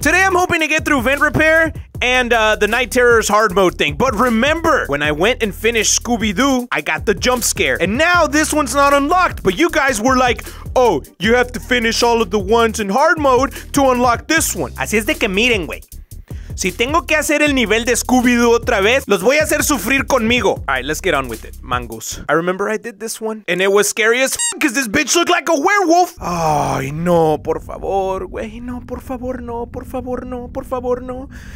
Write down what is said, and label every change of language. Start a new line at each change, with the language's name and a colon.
English: Today I'm hoping to get through vent repair and the Night Terrors hard mode thing. But remember, when I went and finished Scooby-Doo, I got the jump scare. And now this one's not unlocked, but you guys were like, oh, you have to finish all of the ones in hard mode to unlock this one.
Spanish: Así es de que miren, güey. Si tengo que hacer el nivel de Scooby-Doo otra vez, los voy a hacer sufrir conmigo.
English: All right, let's get on with it, mangos. I remember I did this one, and it was scary as f*** because this bitch looked like a werewolf.
Spanish: Ay, no, por favor, güey, no, por favor, no, por favor, no, por favor, no.